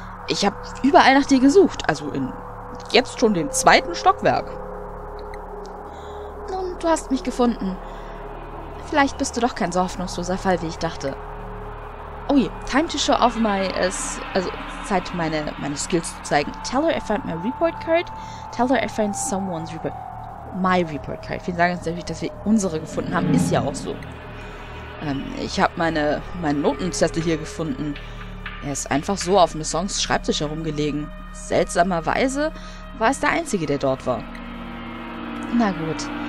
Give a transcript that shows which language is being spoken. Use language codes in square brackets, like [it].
[de] Ich habe überall nach dir gesucht. Also in jetzt schon dem zweiten Stockwerk. Nun, du hast mich gefunden. Vielleicht bist du doch kein so hoffnungsloser Fall, wie ich dachte. Oh je, [en] time to show off my... [de] Also, Zeit, meine Skills zu zeigen. [en] Tell her I found my report card. Tell her I found someone's report... My report card. [de] Vielen Dank natürlich, dass wir unsere gefunden haben. Ist ja auch so. Ich habe meinen Notenzettel hier gefunden. Er ist einfach so auf Missons Schreibtisch herumgelegen. Seltsamerweise war es der Einzige, der dort war. Na gut.